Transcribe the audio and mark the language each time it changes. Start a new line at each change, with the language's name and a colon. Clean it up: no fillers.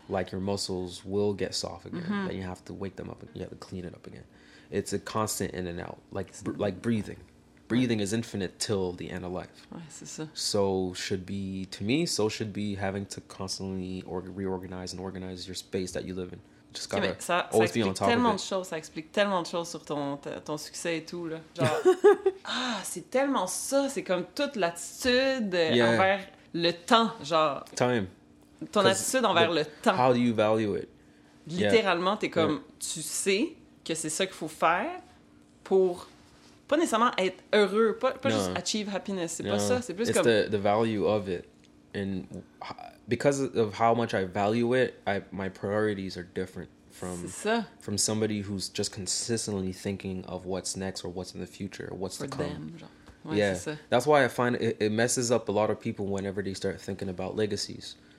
English: Like your muscles will get soft again. Mm-hmm. Then you have to wake them up and you have to clean it up again. It's a constant in and out. Like breathing. Breathing is infinite till the end of life.
French: Ouais, c'est ça.
English: So should be, to me, so should be having to constantly reorganize and organize your space that you live in.
French: Ça explique tellement de choses. Ça explique tellement de choses sur ton succès et tout là. Genre, ah, c'est tellement ça. C'est comme toute l'attitude envers le temps, genre.
English: Time.
French: Ton attitude envers le temps.
English: How do you value it?
French: Littéralement, t'es comme, tu sais que c'est ça qu'il faut faire pour pas nécessairement être heureux, pas juste
English: achieve happiness.
French: C'est pas ça. C'est plus comme
English: the value of it. And because of how much I value it, my priorities are different from somebody who's just consistently thinking of what's next or what's in the future or what's for to come. Them, yeah,
French: c'est ça.
English: That's why I find it messes up a lot of people whenever they start thinking about legacies.